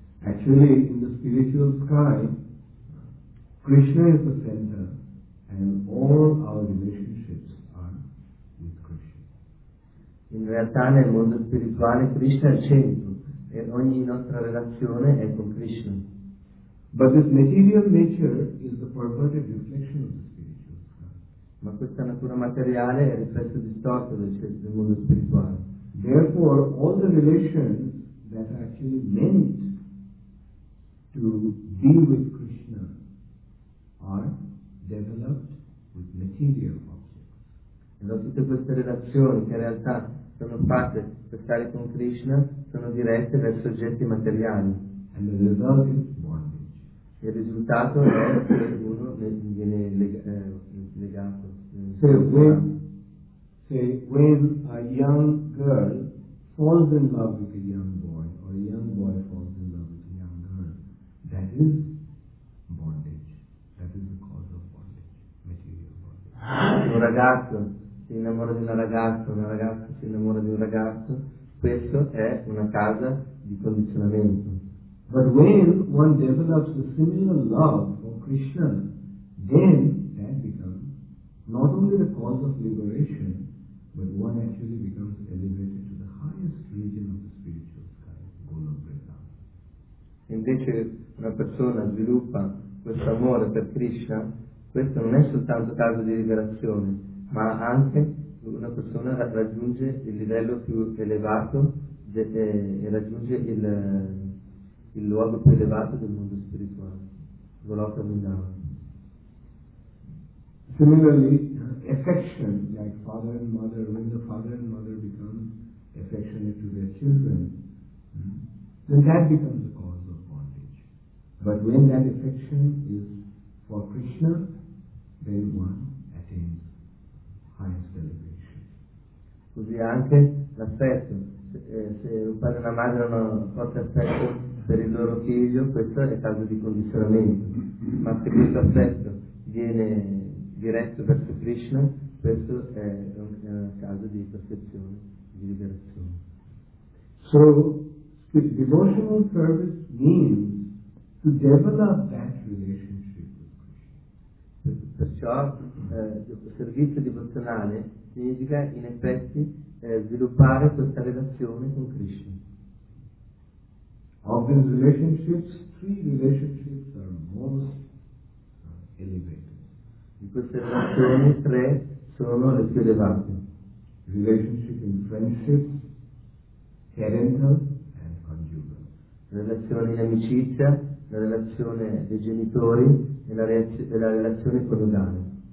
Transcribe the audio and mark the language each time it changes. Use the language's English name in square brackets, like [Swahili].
[English] Actually, in the spiritual sky, Krishna is the center and all our relationships are with Krishna. [Italian] In realtà nel mondo spirituale Krishna è al centro e ogni nostra relazione è con Krishna. [English] But this material nature is the perverted reflection of the spiritual sky. [Italian] Ma questa natura materiale è il riflesso distorto del mondo spirituale. [English] Therefore, all the relations that are actually meant to be with Krishna are developed with material objects. [Italian] E da tutte queste relazioni che in realtà sono fatte per stare con Krishna sono dirette verso oggetti materiali. [English] And the result is bondage. [Italian] Il risultato è che uno viene legato. [English] Se when a young girl falls in love with a young boy, or a young boy falls in love with a young girl, that is bondage. That is the cause of bondage, material bondage. [Italian] Un ragazzo si innamora di una ragazza si innamora di un ragazzo. Questo è una causa di condizionamento. [English] But when one develops a similar love for Krishna, then that becomes not only the cause of liberation, but one actually becomes elevated to the highest region of the spiritual sky, Gola Vrindavan. [Italian] Invece una persona sviluppa questo amore per Krishna, questo non è soltanto causa di liberazione, ma anche una persona raggiunge il livello più elevato e raggiunge il luogo più elevato del mondo spirituale, Goloka Vrindavan. [English] Similarly, affection, like father and mother, when the father and mother become affectionate to their children, then that becomes a cause of bondage. But when that affection is for Krishna, then one attains highest elevation. [Italian] Così anche l'affetto, se un padre e una madre hanno forte affetto per il loro figlio, questo è causa di condizionamento, ma se questo affetto viene diretto verso Krishna, questo è una causa di perfezione, di liberazione. [English] So, devotional service means to develop that relationship with Krishna. [Italian] Perciò, servizio devozionale significa in effetti sviluppare questa relazione con Krishna. [English] Of these relationships, three relationships are most elevated. [Italian] Di queste relazioni tre sono le più elevate. [English] Relationship in friendship, parental and conjugal. [Italian] Relazione in amicizia, la relazione dei genitori e la relazione coniugale.